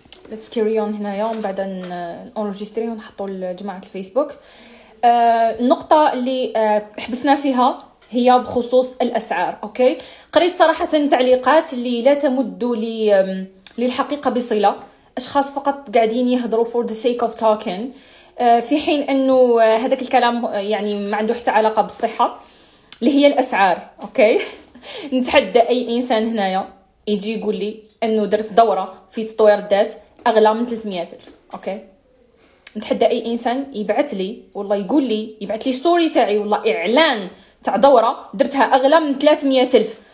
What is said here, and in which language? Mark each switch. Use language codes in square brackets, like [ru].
[en] Let's carry on [ar] هنايا ومن بعد نونجستري ونحطوا لجماعة الفيسبوك. النقطة اللي حبسنا فيها هي بخصوص الأسعار. [en] Okay. [ar] قريت صراحة تعليقات اللي لا تمد للحقيقة بصلة. أشخاص فقط قاعدين يهضروا [en] for the sake of talking. [ar] في حين انه هذاك الكلام يعني ما عنده حتى علاقه بالصحه اللي هي الاسعار. اوكي نتحدى اي انسان هنايا يجي يقول لي انه درت دوره في تطوير الذات اغلى من 300,000. اوكي نتحدى اي انسان يبعث لي والله يقول لي يبعث لي ستوري تاعي والله اعلان تاع دوره درتها اغلى من 300,000.